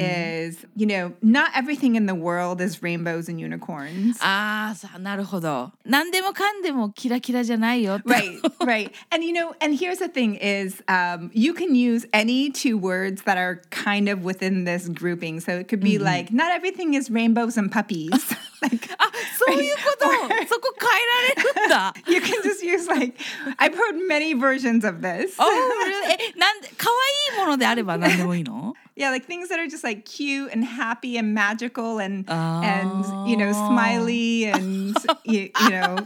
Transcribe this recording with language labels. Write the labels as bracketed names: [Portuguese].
[English] is, you know, not everything in the world is rainbows and unicorns. Ah, so, なるほど。 [Japanese] 何でもかんでもキラキラじゃないよ。 [English] Right, right. And you know, and here's the thing is, you can use any two words that are kind of within this grouping. So it could be、mm-hmm. like, not everything is rainbows and puppies. [Japanese] like, そういうこと。そこ変えられるんだ。 [English] You can just use like, I've heard many versions of this. Oh, really? [Japanese] かわいいものであれば何でもいいの? [English] Yeah, like things that are just like cute and happy and magical and, and you know, smiley and, you know.